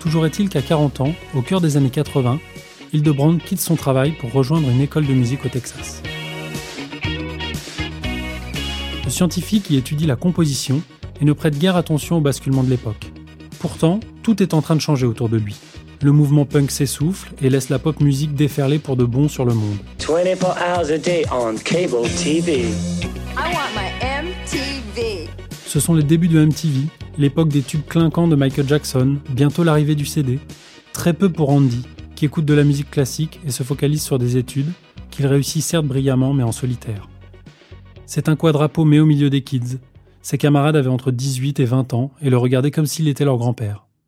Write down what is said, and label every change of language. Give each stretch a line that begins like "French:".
French: Toujours est-il qu'à 40 ans, au cœur des années 80, Hildebrand quitte son travail pour rejoindre une école de musique au Texas. Le scientifique y étudie la composition et ne prête guère attention au basculement de l'époque. Pourtant, tout est en train de changer autour de lui. Le mouvement punk s'essouffle et laisse la pop musique déferler pour de bon sur le monde.
English: 24 hours a day on cable TV. I want my MTV.
French: Ce sont les débuts de MTV, l'époque des tubes clinquants de Michael Jackson, bientôt l'arrivée du CD. Très peu pour Andy, qui écoute de la musique classique et se focalise sur des études, qu'il réussit certes brillamment mais en solitaire. C'est un quadrapeau mais au milieu des kids. Ses camarades avaient entre 18 et 20 ans et le regardaient comme s'il était leur grand-père.